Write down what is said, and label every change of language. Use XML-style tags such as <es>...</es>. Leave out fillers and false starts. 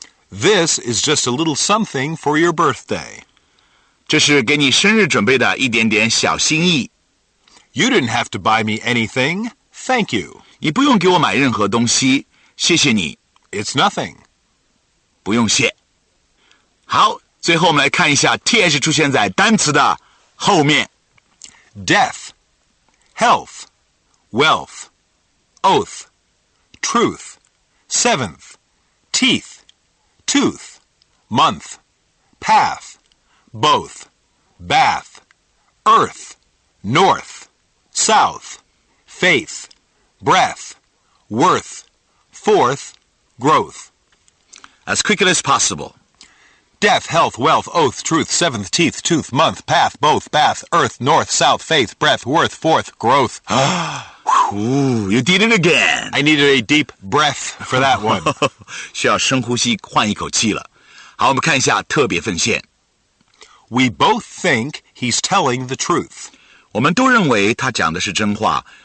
<en>This is just a little something for your birthday.</en> <zh>这是给你生日准备的一点点小心意。</zh> <en>You didn't have to buy me anything. Thank you.</en> <zh>你不用给我买任何东西。谢谢你。</zh> <en>It's nothing.</en> <zh>不用谢。好，最后我们来看一下 TH 出现在单词的后面。</zh> <en>Death, health, wealth, oath, truth, seventh, teeth, tooth, month, path, both, bath, earth, north, south, faith, breath, worth, fourth, growth. As quickly as possible. Death, health, wealth, oath, truth, seventh, teeth, tooth, month, path, both, bath, earth, north, south, faith, breath, worth, fourth, growth. Ooh, you did it again. I needed a deep breath for that one.</en> <zh>需要深呼吸换一口气了。好，我们看一下特别奉献。</zh> <en>We both think he's telling the truth.</en> <zh>我们都认为他讲的是真话。</zh>